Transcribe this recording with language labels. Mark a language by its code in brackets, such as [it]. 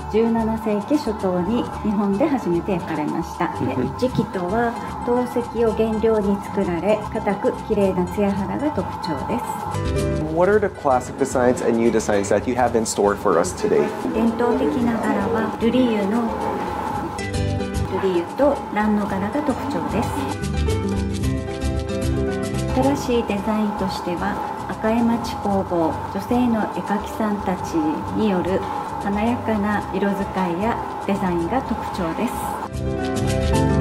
[ja] 17世紀初頭に日本で初めて焼かれました。で、磁器とは陶石を原料に作られ、硬く綺麗な艶肌が特徴です。 [en] What are the classic designs and new designs that you have in store for us today? [ja] 伝統的な柄はルリユと蘭の柄が特徴です。新しいデザインとしては、赤山地工房女性の絵描きさんたちによる華やかな色使いやデザインが特徴です。